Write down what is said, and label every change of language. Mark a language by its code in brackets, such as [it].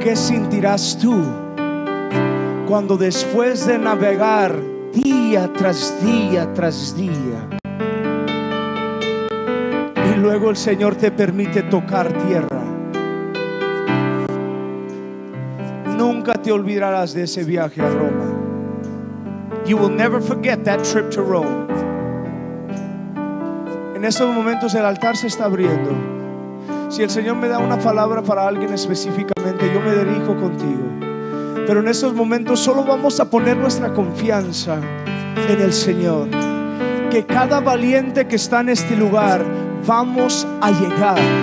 [es] ¿Qué sentirás tú cuando después de navegar día tras día y luego el Señor te permite tocar tierra. Nunca te olvidarás de ese viaje a Roma. [en] You will never forget that trip to Rome. [es] En estos momentos el altar se está abriendo. Si el Señor me da una palabra para alguien específicamente, yo me dirijo contigo. Pero en estos momentos solo vamos a poner nuestra confianza en el Señor. Que cada valiente que está en este lugar, vamos a llegar.